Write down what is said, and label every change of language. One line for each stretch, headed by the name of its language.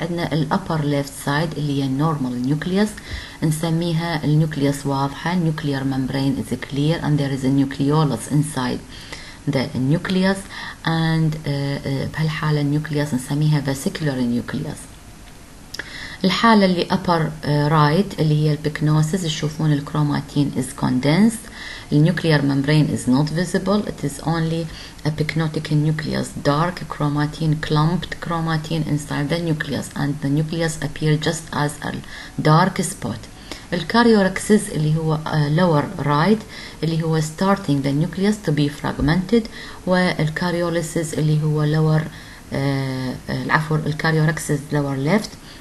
Arabic: عندنا الأبر ليفت سايد اللي هي النورمال نيوكليوس نسميها النيوكليوس واضحة النيوكليار ممبرين
English: is clear and there is a nucleolus inside the nucleus
Arabic: and بهالحالة النيوكليوس نسميها
English: vesicular nucleus.
Arabic: الحالة اللي أبر رايت اللي هي البكنوسيس تشوفون الكروماتين
English: is condensed. The nuclear membrane is not visible. It is only a pycnotic nucleus, dark chromatin, clumped chromatin inside the nucleus, and the nucleus appears just as a dark spot. The karyorrhexis, اللي هو lower right, اللي هو starting the nucleus to be fragmented, والكاريوليسيس اللي هو lower العفو الكاريورrhexis lower left.